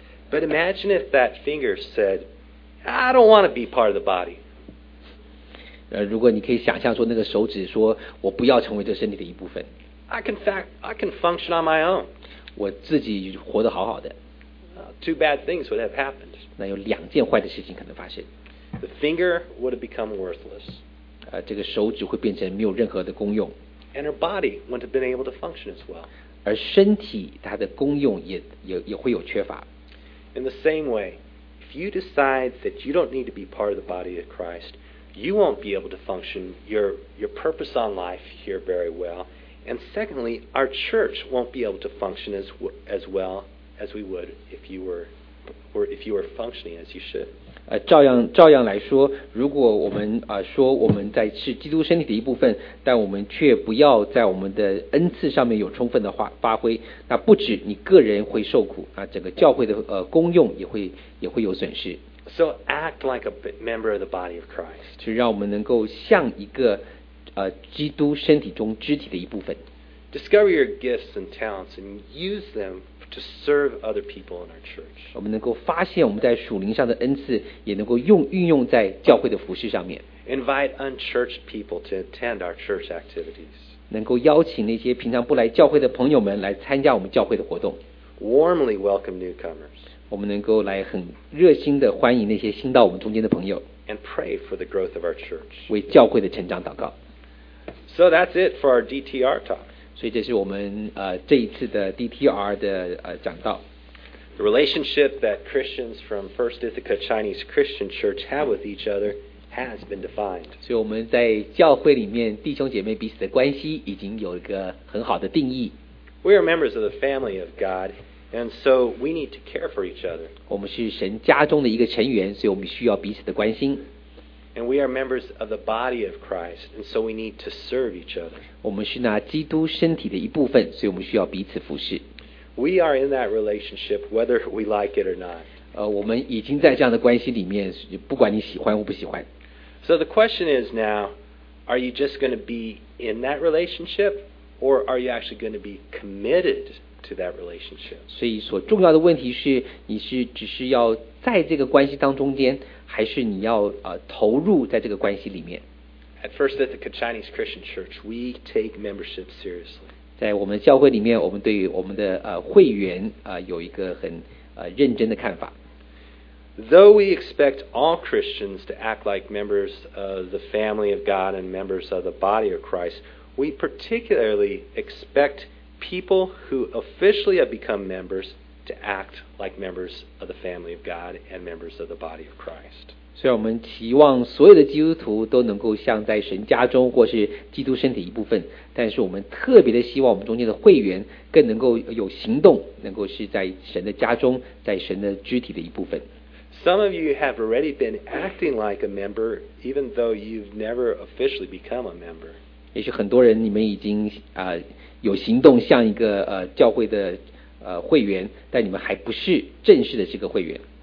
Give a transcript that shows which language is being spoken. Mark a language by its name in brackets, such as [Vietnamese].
[English] But imagine if that finger said, "I don't want to be part of the body." [Chinese] 如果你可以想象说那个手指说我不要成为这身体的一部分。 [English] I can function on my own. [Chinese] 我自己活得好好的。 [English] Two bad things would have happened. [Chinese] 那有两件坏的事情可能发生。 [English] The finger would have become worthless. [Chinese] 这个手指会变成没有任何的功用。 [English] And her body wouldn't have been able to function as well. [Chinese] 而身体它的功用也会有缺乏。 [English] In the same way, if you decide that you don't need to be part of the body of Christ, you won't be able to function your purpose on life here very well. And secondly, our church won't be able to function as well. As we would if you were functioning as you should. [Chinese] 照样来说，如果我们说我们在是基督身体的一部分，但我们却不要在我们的恩赐上面有充分的发挥，那不止你个人会受苦，那整个教会的功用也会有损失。 [English] So act like a member of the body of Christ. [Chinese] 就让我们能够像一个基督身体中肢体的一部分。 [English] Discover your gifts and talents and use them. To serve other people in our church. [Chinese] 我们能够发现我们在属灵上的恩赐，也能够运用在教会的服事上面。 [English] Invite unchurched people to attend our church activities. [Chinese] 能够邀请那些平常不来教会的朋友们来参加我们教会的活动。 [English] Warmly welcome newcomers. [Chinese] 我们能够来很热心的欢迎那些新到我们中间的朋友。 [English] And pray for the growth of our church. [Chinese] 为教会的成长祷告。 [English] So that's it for our DTR talk. [Chinese] 所以这是我们这一次的 DTR 的讲道。 [English] The relationship that Christians from First Ithaca Chinese Christian Church have with each other has been defined. [Chinese] 所以我们在教会里面弟兄姐妹彼此的关系已经有一个很好的定义。 [English] We are members of the family of God, and so we need to care for each other. [Chinese] 我们是神家中的一个成员，所以我们需要彼此的关心。 [English] And we are members of the body of Christ, and so we need to serve each other. [Chinese] 我们是那基督身体的一部分，所以我们需要彼此服侍。 [English] We are in that relationship, whether we like it or not. [Chinese] 我们已经在这样的关系里面，不管你喜欢或不喜欢。 [English] So the question is now, Are you just going to be in that relationship, or are you actually going to be committed to that relationship? [Chinese] 所以所重要的问题是，你是只是要在这个关系当中间，还是你要投入在这个关系里面？ [English] At First Ithaca Chinese Christian Church, we take membership seriously. [Chinese] 在我们教会里面，我们对于我们的会员有一个很认真的看法。 [English] Though we expect all Christians to act like members of the family of God and members of the body of Christ, we particularly expect people who officially have become members to act like members of the family of God and members of the body of Christ. [Chinese] 所以我们期望所有的基督徒都能够像在神家中或是基督身体一部分，但是我们特别的希望我们中间的会员更能够有行动，能够是在神的家中，在神的肢体的一部分。 [English] Some of you have already been acting like a member, even though you've never officially become a member. [Chinese] 也许很多人你们已经有行动像一个教会的会员，但你们还不是正式的这个会员。